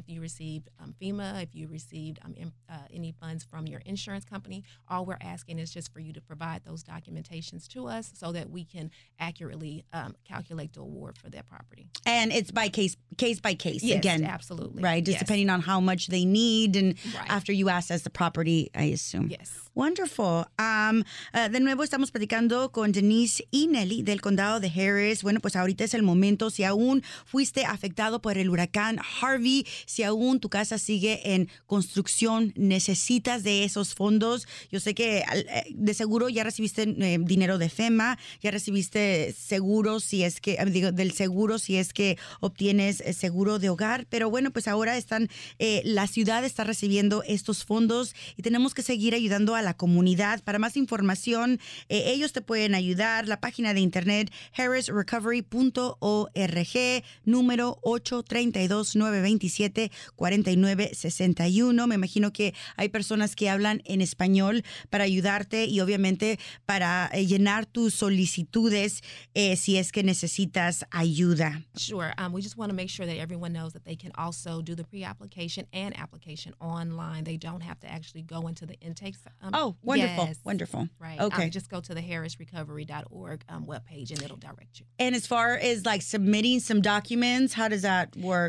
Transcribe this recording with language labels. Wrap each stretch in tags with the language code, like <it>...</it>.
<en>If you received FEMA, if you received any funds from your insurance company, all we're asking is just for you to provide those documentations to us so that we can accurately calculate the award for that property. And it's by case by case. Yes, again, absolutely. Right, just yes. Depending on how much they need and right. After you assess the property, I assume. Yes. Wonderful.</en> <es>De nuevo estamos platicando con Janice y Nelly del condado de Harris. Bueno, pues ahorita es el momento. Si aún fuiste afectado por el huracán Harvey, si aún tu casa sigue en construcción, necesitas de esos fondos. Yo sé que de seguro ya recibiste dinero de FEMA, ya recibiste seguro si es que obtienes seguro de hogar. Pero bueno, pues ahora están la ciudad está recibiendo estos fondos y tenemos que seguir ayudando a la comunidad. Para más información, ellos te pueden ayudar. La página de internet harrisrecovery.org, número 832-927-4961. Me imagino que hay personas que hablan en español para ayudarte y obviamente para llenar tus solicitudes si es que necesitas ayuda.</es> <en>Sure. We just want to make sure that everyone knows that they can also do the pre-application and application online. They don't have to actually go into the intakes. Oh, wonderful. Yes. Wonderful. Right. Okay. Just go to the harrisrecovery.org webpage and it'll direct you. And as far as like submitting some documents, how does that work?</en>